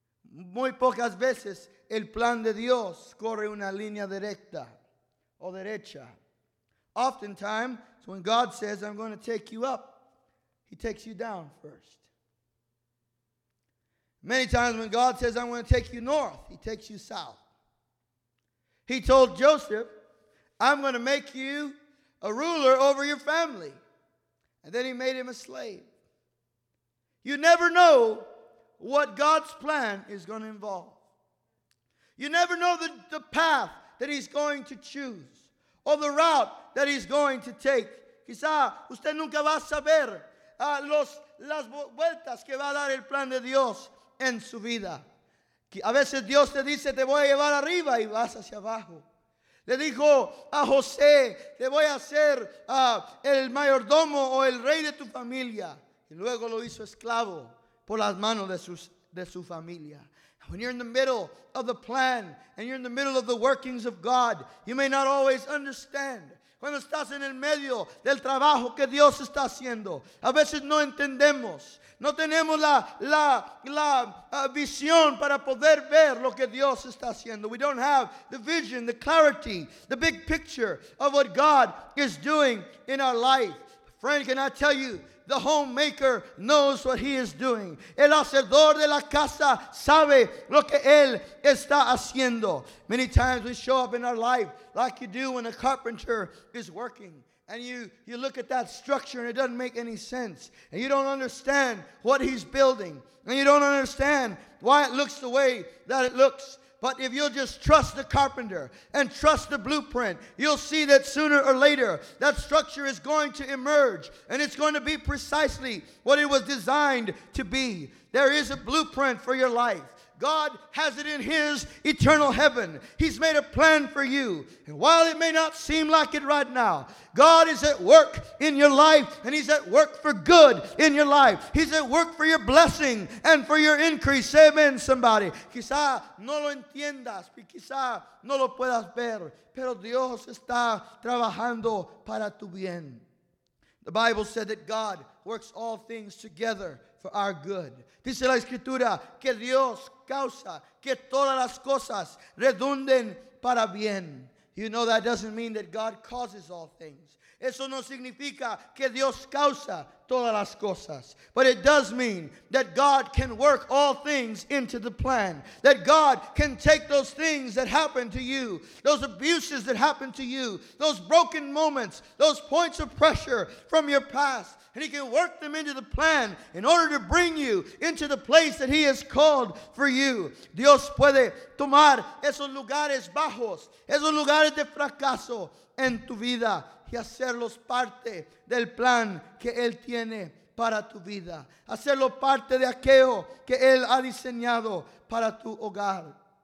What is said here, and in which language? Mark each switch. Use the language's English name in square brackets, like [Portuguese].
[Spanish] Muy pocas veces el plan de Dios corre una línea directa o derecha. [English] Oftentimes, when God says, I'm going to take you up, he takes you down first. Many times when God says, I'm going to take you north, he takes you south. He told Joseph, I'm going to make you a ruler over your family. And then he made him a slave. You never know what God's plan is going to involve. You never know the path that he's going to choose or the route that he's going to take. [Spanish] Quizá usted nunca va a saber las vueltas que va a dar el plan de Dios en su vida. A veces Dios te dice, te voy a llevar arriba y vas hacia abajo. Le dijo a José, te voy a hacer el mayordomo o el rey de tu familia. Y luego lo hizo esclavo por las manos de su familia. [English] When you're in the middle of the plan and you're in the middle of the workings of God, you may not always understand. [Spanish] Cuando estás en el medio del trabajo que Dios está haciendo, a veces no entendemos. No tenemos la visión para poder ver lo que Dios está haciendo. [English] We don't have the vision, the clarity, the big picture of what God is doing in our life. Friend, can I tell you, the homemaker knows what he is doing. [Spanish] El hacedor de la casa sabe lo que él está haciendo. [English] Many times we show up in our life like you do when a carpenter is working. And you look at that structure and it doesn't make any sense. And you don't understand what he's building. And you don't understand why it looks the way that it looks. But if you'll just trust the carpenter and trust the blueprint, you'll see that sooner or later, that structure is going to emerge. And it's going to be precisely what it was designed to be. There is a blueprint for your life. God has it in his eternal heaven. He's made a plan for you. And while it may not seem like it right now, God is at work in your life, and he's at work for good in your life. He's at work for your blessing and for your increase. Say amen, somebody. [Spanish] Quizá no lo entiendas, y quizá no lo puedas ver, pero Dios está trabajando para tu bien. [English] The Bible said that God works all things together for our good. [Spanish] Dice la escritura que Dios causa que todas las cosas redunden para bien. [English] You know that doesn't mean that God causes all things. [Spanish] Eso no significa que Dios causa todas las cosas. [English] But it does mean that God can work all things into the plan. That God can take those things that happen to you, those abuses that happen to you, those broken moments, those points of pressure from your past, and he can work them into the plan in order to bring you into the place that he has called for you. [Spanish] Dios puede tomar esos lugares bajos, esos lugares de fracaso en tu vida, y hacerlos parte del plan que él tiene para tu vida. Hacerlo parte de aquello que él ha diseñado para tu hogar.